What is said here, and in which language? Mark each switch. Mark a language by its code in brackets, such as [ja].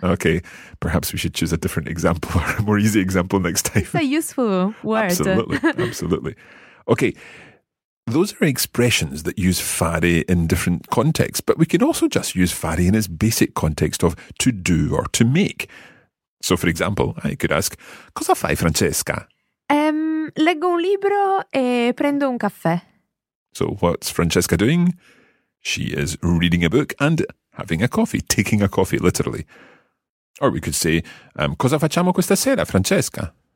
[en] Okay, perhaps we should choose a different example or a more easy example next time. It's a useful word. Absolutely, absolutely. Okay, those are expressions that use fare in different contexts, but we can also just use fare in its basic context of to do or to make. So, for example, I could ask, [it] cosa fai, Francesca? Leggo un libro e prendo un caffè. [en] So what's Francesca doing? She is reading a book and having a coffee, taking a coffee, literally. Or we could say, [it] cosa facciamo questa sera, Francesca?